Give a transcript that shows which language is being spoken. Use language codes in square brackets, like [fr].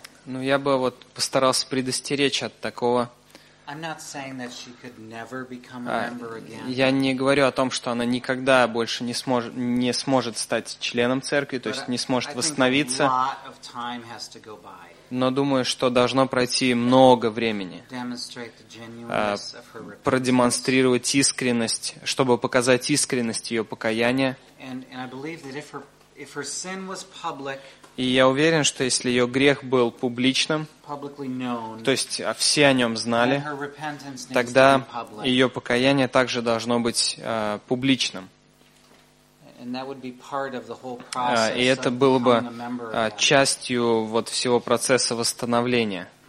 [ru] Ну, я бы вот постарался предостеречь от такого. [en] I'm not saying that she could never become a member again. [ru] Я не говорю о том, что она никогда больше не сможет стать членом церкви, то есть не сможет восстановиться. [en] I think a lot of time has to go by. [ru] Но думаю, что должно пройти много времени. [en] Demonstrate the genuineness of her repentance. [ru] Продемонстрировать искренность, чтобы показать искренность ее покаяния. [en] And I believe that if her sin was public, [ru] И я уверен, что если ее грех был публичным, то есть все о нем знали, тогда ее покаяние также должно быть публичным. И это было бы частью вот всего процесса восстановления.